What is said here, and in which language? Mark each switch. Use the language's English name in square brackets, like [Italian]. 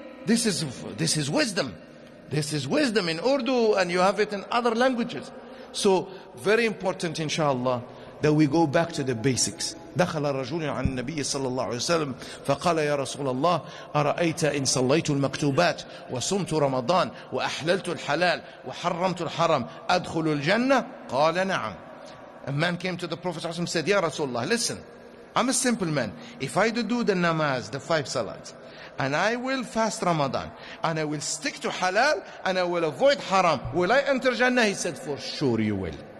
[English] This is wisdom. This is wisdom in Urdu, and you have it in other languages. So very important, inshallah, that we go back to the basics. [Arabic] دخل الرجل عن النبي صلى الله عليه وسلم فقال يا رسول الله أرأيت إن صليت المكتوبات وصمت رمضان وأحللت الحلال وحرمت الحرم أدخل الجنة؟ قال نعم. [English] A man came to the Prophet and said, [Arabic] يا رسول الله, [English] listen, I'm a simple man. If I do the namaz, the five salats, and I will fast Ramadan, and I will stick to halal, and I will avoid haram, will I enter Jannah? He said, for sure you will.